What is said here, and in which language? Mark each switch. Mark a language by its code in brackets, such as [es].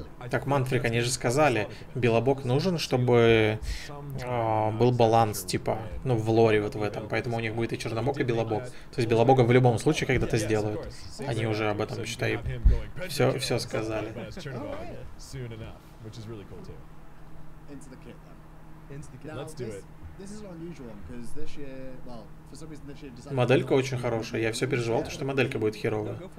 [ru] Так, Манфрик, они же сказали, Белобок нужен, чтобы был баланс, типа, ну, в лоре вот в этом. Поэтому у них будет и Чернобог, и Белобок. То есть Белобога в любом случае когда-то сделают. Они уже об этом, считай, все сказали. [en] Soon enough, which is really cool too. Into the kit then. Into the kit. Let's do it. This is an unusual one because this year, well, for some reason this year. [ru] Моделька очень хорошая. Я все переживал, что моделька будет херовая.